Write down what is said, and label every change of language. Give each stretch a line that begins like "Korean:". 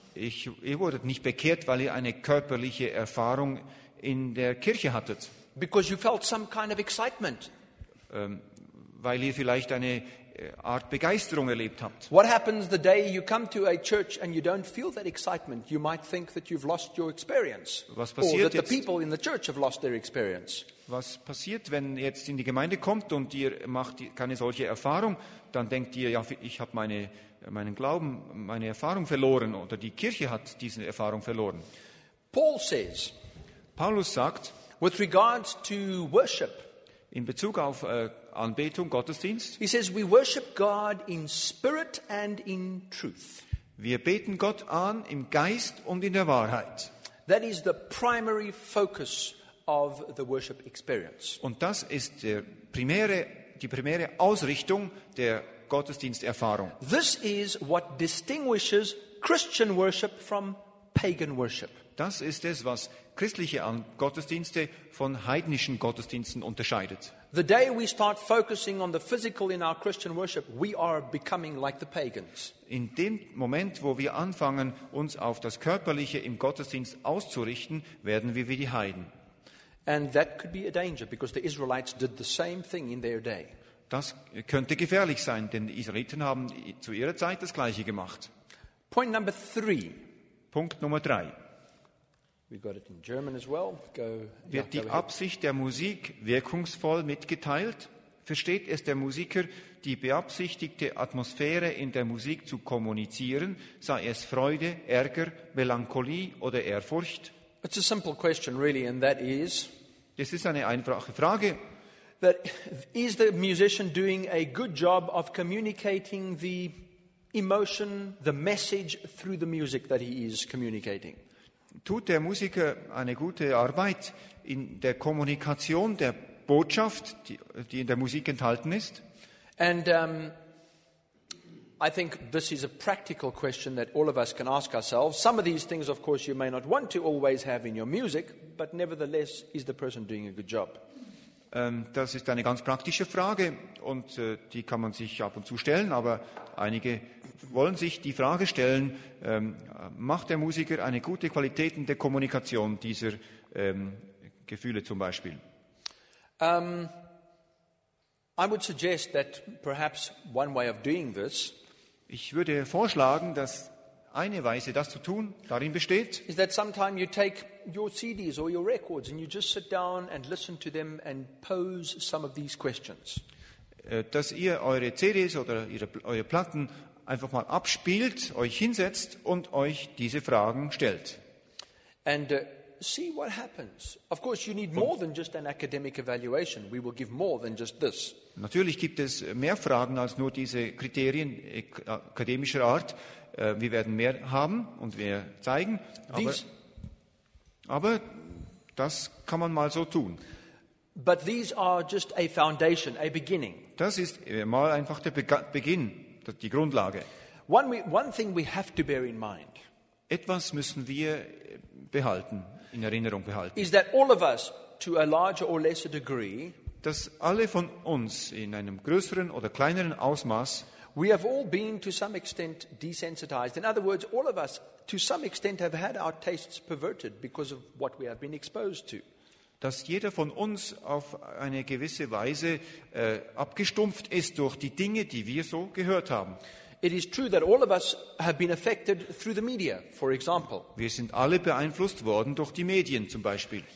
German: Ihr wurdet nicht bekehrt, weil ihr eine körperliche Erfahrung in der Kirche hattet.
English: Because you felt some kind of excitement.
German: Weil ihr vielleicht eine Art Begeisterung erlebt habt.
English: What happens the day you come to a church and you don't feel that excitement? You might think that you've lost your experience.
German: Was passiert
English: or that the people in the church have lost their experience.
German: Was passiert, wenn ihr jetzt in die Gemeinde kommt und ihr macht keine solche Erfahrung, dann denkt ihr, ja, ich habe meinen Glauben, meine Erfahrung verloren oder die Kirche hat diese Erfahrung verloren. Paulus sagt,
English: with regards to worship,
German: in Bezug auf Anbetung, Gottesdienst.
English: He says, we worship God in spirit and in truth.
German: Wir beten Gott an im Geist und in der Wahrheit.
English: That is the primary focus of the worship experience.
German: Und das ist die primäre Ausrichtung der Gottesdiensterfahrung.
English: This is what distinguishes Christian worship from pagan worship.
German: Das ist es, was christliche Gottesdienste von heidnischen Gottesdiensten unterscheidet.
English: The day we start focusing on the physical in our Christian worship, we are becoming like the pagans.
German: In dem Moment, wo wir anfangen, uns auf das Körperliche im Gottesdienst auszurichten, werden wir wie die Heiden.
English: And that could be a danger because the Israelites did the same thing in their day.
German: Das könnte gefährlich sein, denn die Israeliten haben zu ihrer Zeit das Gleiche gemacht.
English: Point number three.
German: Punkt Nummer drei.
English: We got it in German as well.
German: Wird die Absicht der Musik wirkungsvoll mitgeteilt? Versteht es der Musiker, die beabsichtigte Atmosphäre in der Musik zu kommunizieren, sei es Freude, Ärger, Melancholie oder Ehrfurcht?
English: It's a simple question really, and that is,
German: das ist eine einfache Frage.
English: That is the musician doing a good job of communicating the emotion, the message through the music that he is communicating?
German: Tut der Musiker eine gute Arbeit in der Kommunikation der Botschaft, die in der Musik enthalten ist?
English: And I think this is a practical question that all of us can ask ourselves. Some of these things, of course, you may not want to always have in your music, but nevertheless, is the person doing a good job?
German: Das ist eine ganz praktische Frage und die kann man sich ab und zu stellen, aber einige wollen sich die Frage stellen, macht der Musiker eine gute Qualität in der Kommunikation dieser Gefühle zum Beispiel?
English: I would suggest that perhaps one way of doing this,
German: ich würde vorschlagen, dass eine Weise, das zu tun, darin besteht,
English: is that sometime you take your CDs or your records and you just sit down and listen to them and pose some of these questions.
German: Dass ihr eure CDs oder eure Platten einfach mal abspielt, euch hinsetzt und euch diese Fragen stellt.
English: And see what happens. Of course, you need more than just an academic evaluation. We will give more than just this.
German: Natürlich gibt es mehr Fragen als nur diese Kriterien akademischer Art. Wir werden mehr haben und wir zeigen. Aber das kann man mal so tun.
English: But these are just a foundation, a beginning.
German: Das ist mal einfach der Beginn, die Grundlage.
English: One thing we have to bear in mind.
German: Etwas müssen wir behalten, in Erinnerung behalten.
English: Is that all of us, to a larger or lesser degree,
German: dass alle von uns in einem größeren oder kleineren Ausmaß,
English: we have all been to some extent desensitized. In other words, all of us, to some extent, have had our tastes perverted because of what we have been exposed to.
German: Dass jeder von uns auf eine gewisse Weise abgestumpft ist durch die Dinge, die wir so gehört haben.
English: It is true that all of us have been affected through the media, for example.
German: Wir sind alle beeinflusst worden durch die Medien, zum Beispiel.